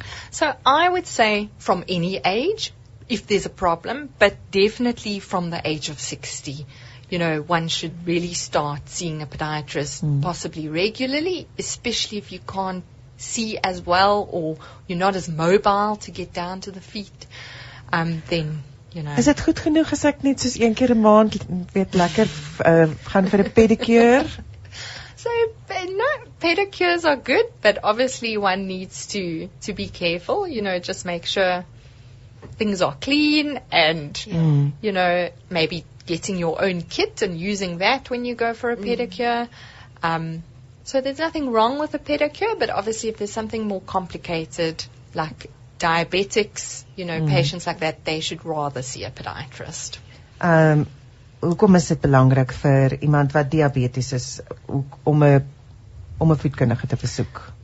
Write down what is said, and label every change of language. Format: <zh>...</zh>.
<en>So I would say from any age, if there's a problem, but definitely from the age of 60, you know, one should really start seeing a podiatrist possibly regularly, especially if you can't see as well, or you're not as mobile to get down to the feet, then, you know. Is it good</en> <af>genoeg as ek net soos een keer 'n maand weet lekker gaan vir 'n pedicure?</af> <en>So, no, pedicures are good, but obviously one needs to be careful, you know, just make sure things are clean and, you know, maybe getting your own kit and using that when you go for a pedicure. So there's nothing wrong with a pedicure, but obviously if there's something more complicated, like diabetics, you know, patients like that, they should rather see a podiatrist.</en> <af>Hoekom is dit belangrik vir iemand wat diabetes is om 'n voedkundige te besoek?</af>